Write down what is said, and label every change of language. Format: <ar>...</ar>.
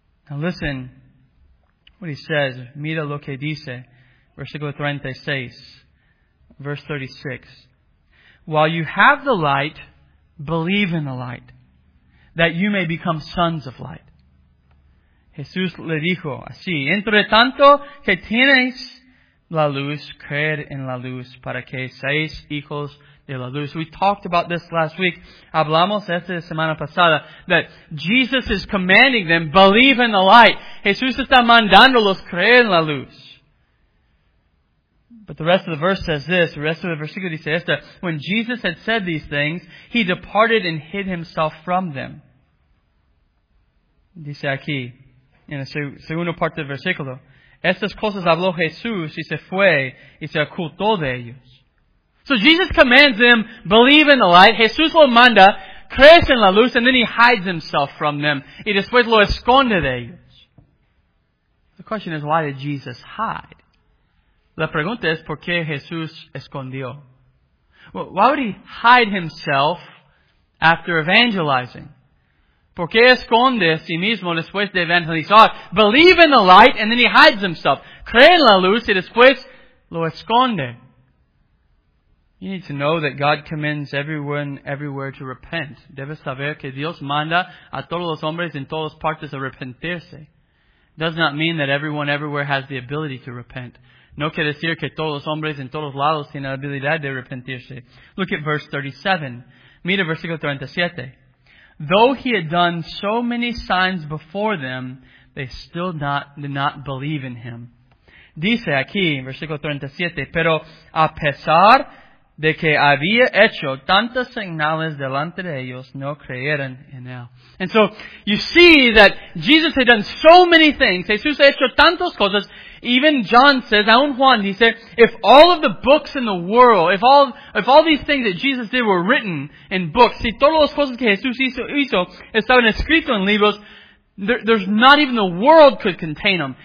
<en>Now listen what he says.</en> <es>Mira lo que dice.</es> <en>Verse 36. While you have the light, believe in the light, that you may become sons of light. Jesús le dijo así, entre tanto que tienes la luz, creed en la luz, para que seáis hijos de la luz. We talked about this last week.</en> <es>Hablamos esta semana pasada,</es> <en>that Jesus is commanding them, believe in the light.</en> <es>Jesús está mandándolos creer en la luz.</es> <en>But the rest of the verse says this, the rest of the</en> <es>versículo dice esta,</es> <en>when Jesus had said these things, he departed and hid himself from them.</en> <es>Dice aquí, en la segunda parte del versículo, estas cosas habló Jesús y se fue y se ocultó de ellos.</es> <en>So Jesus commands them, believe in the light.</en> <es>Jesús lo manda, crees en la luz,</es> <en>and then he hides himself from them.</en> <es>Y después lo esconde de ellos.</es> <en>The question is, why did Jesus hide?</en> <es>La pregunta es, ¿por qué Jesús escondió?</es> <en>Well, why would he hide himself after evangelizing?</en> <es>¿Por qué esconde a sí mismo después de evangelizar?</es> <en>Believe in the light, and then he hides himself.</en> <es>Cree en la luz, y después lo esconde.</es> <en>You need to know that God commands everyone everywhere to repent.</en> <es>Debes saber que Dios manda a todos los hombres en todas partes a arrepentirse.</es> <en>Does not mean that everyone everywhere has the ability to repent.</en> <es>No quiere decir que todos los hombres en todos lados tienen la habilidad de arrepentirse.</es> <en>Look at verse 37.</en> <es>Mira versículo 37.</es> <en>Though he had done so many signs before them, they still did not believe in him.</en> <es>Dice aquí, versículo 37, pero a pesar de que había hecho tantas señales delante de ellos, no creyeron en él.</es> <en>And so, you see that Jesus had done so many things. Jesús ha hecho tantas cosas. Even John says,</en> <es>aun Juan dice,</es> <en>if all of the books in the world, if all these things that Jesus did were written in books,</en> <es>si todas las cosas que Jesús hizo estaban escritas en libros,</es> <en>there's not even the world could contain them.</en>